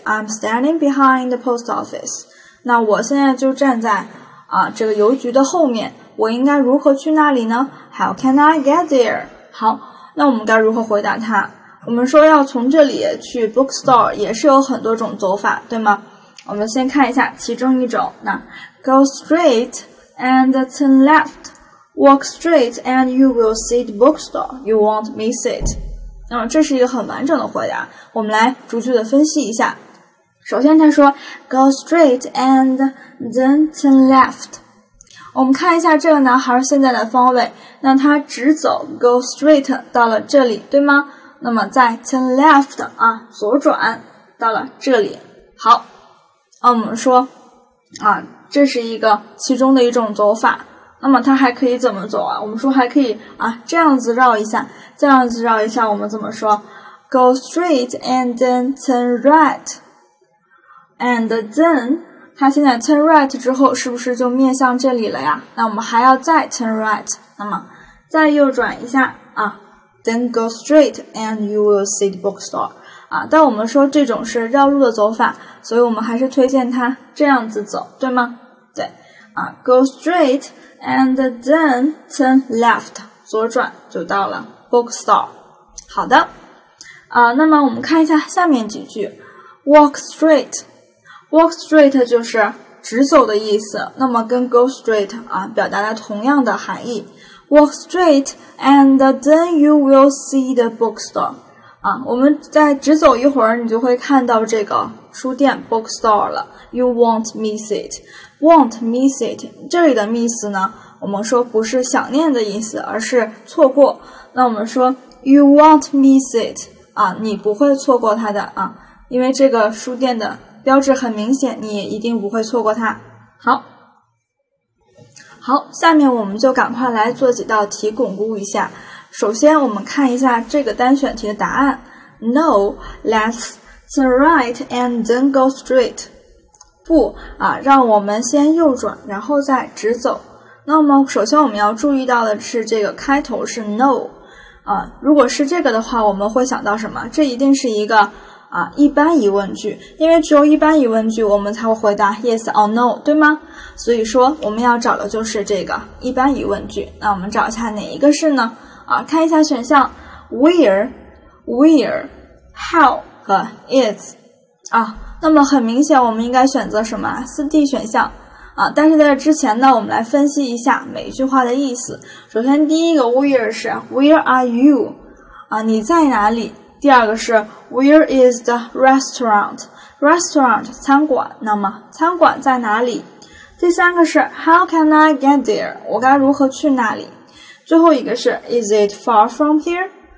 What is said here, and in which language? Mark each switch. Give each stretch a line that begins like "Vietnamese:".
English: I'm standing behind the post office,
Chinese: 那我现在就站在这个邮局的后面，我应该如何去那里呢？
English: How can I get there?
Chinese: 好，那我们该如何回答他？我们说要从这里去 bookstore 也是有很多种走法，对吗？我们先看一下其中一种，那
English: Go straight and turn left. Walk straight and you will see the bookstore. You won't miss it.
Chinese: 那么这是一个很完整的回答，我们来逐句的分析一下。首先他说
English: Go straight and then turn left,
Chinese: 我们看一下这个男孩现在的方位，那他直走 go straight 到了这里，对吗？那么再 turn left, 左转到了这里。好，我们说这是一个其中的一种走法。那么他还可以怎么走我们说还可以这样子绕一下，这样子绕一下，我们怎么说
English: go straight and then
Chinese: turn right, and then,他现在 turn right 之后是不是就面向这里了呀？那我们还要再 turn right, 那么再右转一下
English: then go straight and you will see the bookstore,
Chinese: 但我们说这种是绕路的走法，所以我们还是推荐他这样子走，对吗？对
English: go straight and then turn left,
Chinese: 左转就到了 bookstore。好的那么我们看一下下面几句。 walk straight 就是直走的意思，那么跟 go straight 表达了同样的含义。
English: walk straight and then you will see the bookstore,
Chinese: 我们再直走一会儿你就会看到这个书店 bookstore 了。
English: you won't miss it,
Chinese: won't miss it, 这里的 miss 呢我们说不是想念的意思，而是错过。那我们说
English: you won't miss it,
Chinese: 你不会错过它的因为这个书店的标志很明显，你也一定不会错过它。好，好，下面我们就赶快来做几道题巩固一下。首先我们看一下这个单选题的答案。
English: No, let's turn right and then go straight.
Chinese: 不让我们先右转然后再直走。那么首先我们要注意到的是这个开头是 No, 如果是这个的话我们会想到什么？这一定是一个一般疑问句，因为只有一般疑问句我们才会回答 yes or no, 对吗？所以说我们要找的就是这个一般疑问句。那我们找一下哪一个是呢？看一下选项 where, how 和 is, 那么很明显我们应该选择什么？ 4D 选项但是在这之前呢，我们来分析一下每一句话的意思。首先第一个 where 是
English: where are you,
Chinese: 你在哪里。
English: 第二个是 Where is the restaurant?
Chinese: Restaurant, 餐馆，那么餐馆在哪里？
English: 第三个是 How can I get there?
Chinese: 我该如何去那里？最后一个是
English: Is it far from here?